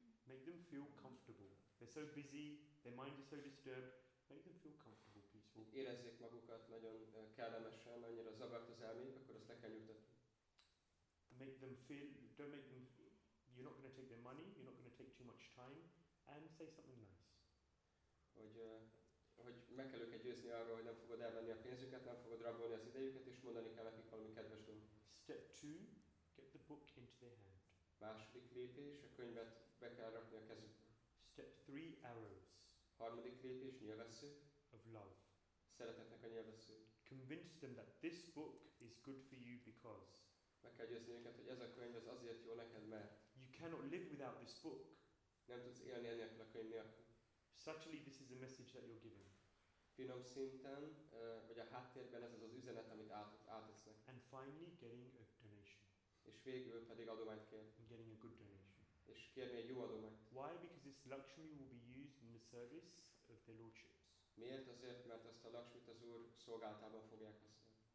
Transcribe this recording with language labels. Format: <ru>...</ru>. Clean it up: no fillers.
<en>Make them feel comfortable. They're so busy, their mind is so disturbed. Make them feel comfortable, peaceful.</en> <hu>Érezzék magukat nagyon kellemesen, annyira zavart az elmény, akkor azt le kell nyugtatni.</hu> <en>Make them feel, don't make them, you're not going to take their money, you're not going to take too much time, and say something nice.</en> <hu>Hogy meg kell őket győzni arról, hogy nem fogod elvenni a pénzüket, nem fogod rabolni az idejüket, és mondani kell nekik valami kedves dolgot.</hu> <en>Step two, get the book into their hand.</en> <hu>Második lépés, a könyvet be kell rakni a kezükbe.</hu> <en>Step three, arrows.</en> <hu>Harmadik lépés, nyilvessző.</hu> <en>Of love.</en> <hu>Szeretetnek a nyilvessző.</hu> <en>Convince them that this book is good for you because.</en> <hu>Meg kell győzni őket, hogy ez a könyv az azért jó neked, mert.</hu> <en>You cannot live without this book.</en> <hu>Nem tudsz élni ennélkül a könyv nélkül.</hu> <en>Subtly, this is a message that you're giving.</en> <hu>Finom szinten, vagy a háttérben ez az az üzenet, amit átesznek.</hu> <en>And finally, getting a donation.</en> <hu>És végül pedig adományt kér.</hu> <en>And getting a good donation.</en> <hu>És kérni egy jó adományt.</hu> <en>Why? Because this luxury will be used in the service of their lordships.</en> <hu>Miért? Azért, mert ezt a luxuryt az Úr szolgálatában fogják használni.</hu>